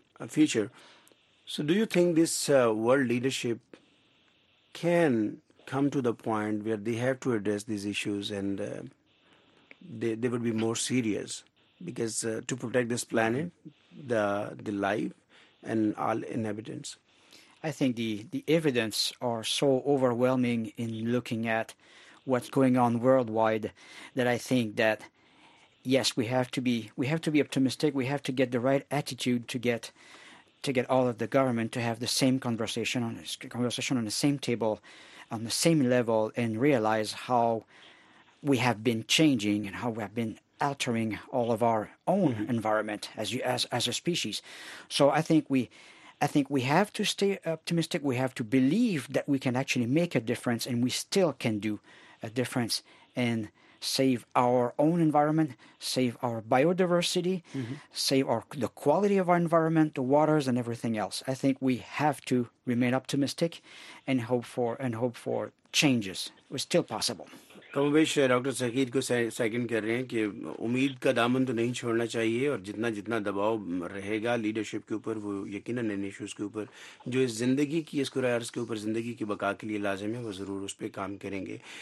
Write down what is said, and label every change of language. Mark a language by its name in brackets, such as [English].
[English] Future, so do you think this world leadership can come to the point where they have to address these issues and they would be more serious, because to protect this planet, the life and all inhabitants? I think the evidence are so overwhelming in looking at what's going on worldwide that I think that yes, we have to be optimistic, we have to get the right attitude to get all of the government to have the same conversation on the same table, on the same level, and realize how we have been changing and how we have been altering all of our own environment as a species. So I think we have to stay optimistic. We have to believe that we can actually make a difference, and we still can do a difference in save our own environment, save our biodiversity, mm-hmm. save our the quality of our environment, the waters and everything else. I think we have to remain optimistic and hope for changes. It's still possible. [Urdu] کمویش doctor سکیر کو second کر رہے ہیں کہ امید کا دامن تو نہیں چھوڑنا چاہیے اور جتنا دباؤ رہے گا لیڈرشپ کے اوپر وہ یقیناً ان ایشوز کے اوپر جو اس زندگی کی اس کرہ ارض کے اوپر زندگی کی بقا کے لیے لازم ہے وہ ضرور اس پہ کام کریں گے.